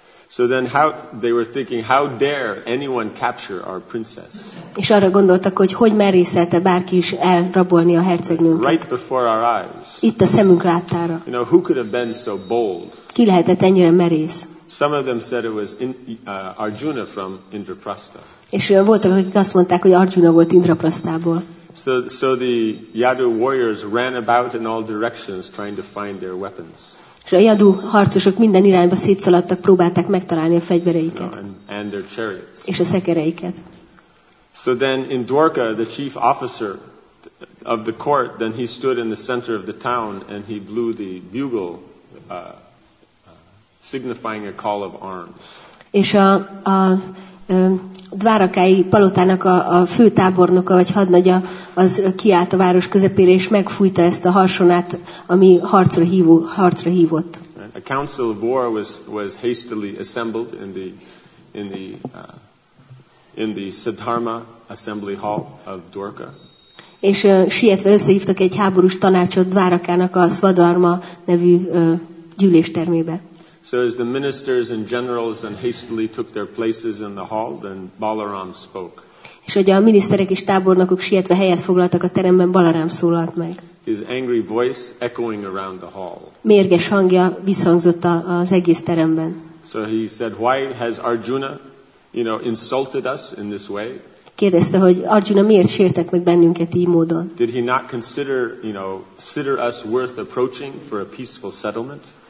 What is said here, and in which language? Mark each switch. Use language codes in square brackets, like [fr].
[en] So then how they were thinking, how dare anyone capture our princess? [hu] És arra gondoltak, hogy merészelte bárki is elrabolni a hercegnőnket. [en] Right before our eyes. [hu] Itt a szemünk láttára. [en] You know, who could have been so bold? [hu] Ki lehetett ennyire merész? [en] Some of them said it was Arjuna from Indraprastha. [hu] És voltak, akik azt mondták, hogy Arjuna volt Indraprasztából. [en] So the Yadu warriors ran about in all directions trying to find their weapons. [hu] És a Yadu harcosok minden irányba szétszaladtak, próbálták megtalálni a fegyvereiket. [en] And their chariots. [hu] És a szekereiket. [en] So then in Dwarka, the chief officer of the court, then he stood in the center of the town and he blew the bugle, signifying a call of arms. [hu] És a Dvárakái palotának a fő tábornoka vagy hadnagya az kiállt a város közepére és megfújta ezt a harsonát, ami harcra hívott. [en] A council of war was hastily assembled in the Siddharma assembly hall of Dwarka. [hu] És sietve összehívtak egy háborús tanácsot Dvárakának a Svadharma nevű gyűléstermébe. [en] So as the ministers and generals then hastily took their places in the hall, then Balaram spoke. [hu] És hogy a miniszterek és tábornokok sietve helyet foglaltak a teremben, Balaram szólalt meg. [en] His angry voice echoing around the hall. [hu] Mérges hangja visszhangzott az egész teremben. [en] So he said, why has Arjuna, you know, insulted us in this way? [hu] Kérdezte, hogy Arjuna miért sértett meg bennünket így módon? [en] Did he not consider, you know, consider us worth approaching for a peaceful settlement?